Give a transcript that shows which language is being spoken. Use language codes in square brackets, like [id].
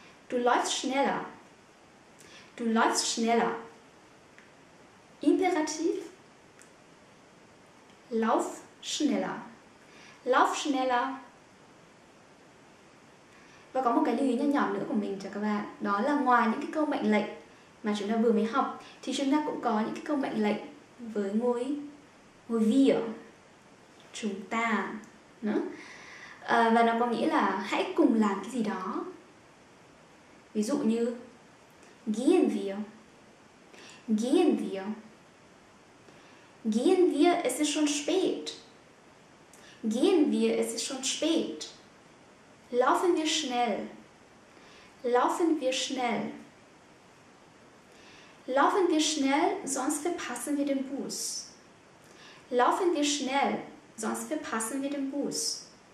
[de] Du läufst schneller, du läufst schneller. Imperativ, lauf schneller, lauf schneller. [vi] Và có một cái lưu ý nhỏ nữa của mình cho các bạn, đó là ngoài những cái câu mệnh lệnh mà chúng ta vừa mới học thì chúng ta cũng có những cái câu mệnh lệnh với ngôi ngôi wir, chúng ta nữa. Và nó có nghĩa là hãy cùng làm cái gì đó. Ví dụ như [de] gehen wir, gehen wir, gehen wir, es ist schon spät, gehen wir, es ist schon spät. Laufen wir schnell, laufen wir schnell, laufen wir schnell, sonst verpassen wir den Bus, laufen wir schnell, sonst verpassen wir den Bus.